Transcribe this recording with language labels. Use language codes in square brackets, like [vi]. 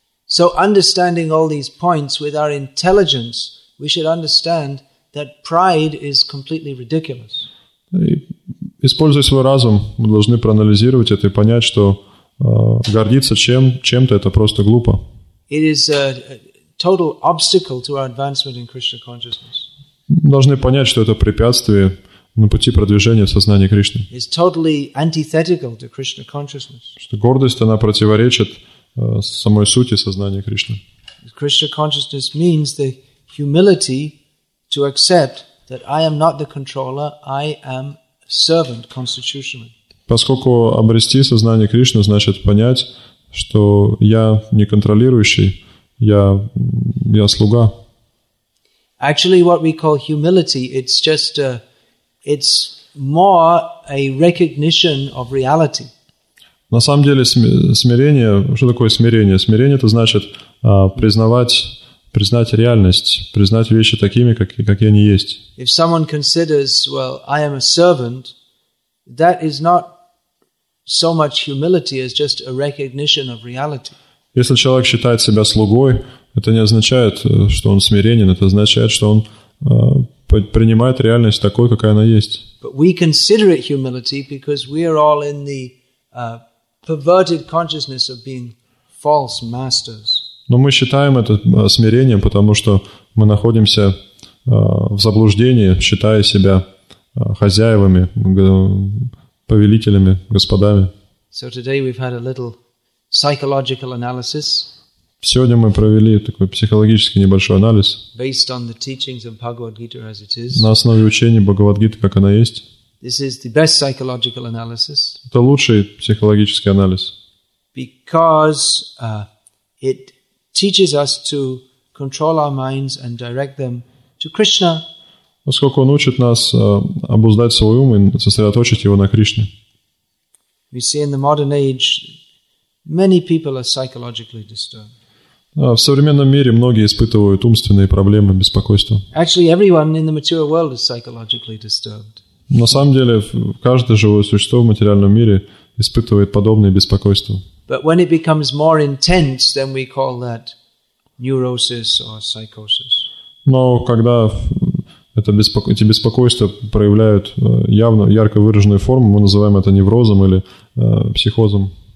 [en] So understanding all these points with our intelligence, we should understand that pride is completely ridiculous. [ru] И, используя свой разум, мы должны проанализировать это и понять, что гордиться чем-то это просто глупо. [en] It is a total obstacle to our advancement in Krishna consciousness. [ru] Должны понять, что это препятствие на пути продвижения в сознании Кришны. [en] Is totally antithetical to Krishna consciousness. [ru] Что гордость, она противоречит самой сути сознания Кришны. [en] Krishna consciousness means the humility to accept that I am not the controller, I am servant constitutionally. [ru] Поскольку обрести сознание Кришны значит понять, что я не контролирующий, я слуга. [en] Actually, what we call humility, it's more a recognition of reality. [ru] На самом деле смирение, что такое смирение? Смирение это значит признать реальность, признать вещи такими, как они есть. [en] If someone considers, well, I am a servant, that is not so much humility as just a recognition of reality. [ru] Если человек считает себя слугой, это не означает, что он смиренен, это означает, что он принимает реальность такой, какая она есть. [en] But we consider it humility because we are all in the perverted consciousness of being false masters. [ru] Но мы считаем это смирением, потому что мы находимся в заблуждении, считая себя хозяевами, повелителями, господами. [en] So today we've had a little psychological analysis. [ru] Сегодня мы провели такой психологический небольшой анализ [en] based on the teachings of Bhagavad-gita as it is. [ru] На основе учений Бхагавад-гиты, как она есть. [en] This is the best psychological analysis. [ru] Это лучший психологический анализ. [en] Because it teaches us to control our minds and direct them to Krishna. [ru] Поскольку он учит нас обуздать свой ум и сосредоточить его на Кришне. [en] We see in the modern age many people are psychologically disturbed. [ru] В современном мире многие испытывают умственные проблемы, беспокойство. [en] Actually, everyone in the material world is psychologically disturbed. [ru] На самом деле, каждое живое существо в материальном мире испытывает подобные беспокойства. [en] But when it becomes more intense, then we call that neurosis or psychosis. [ru] Но когда эти беспокойства проявляют явно ярко выраженную форму, мы называем это неврозом или психозом.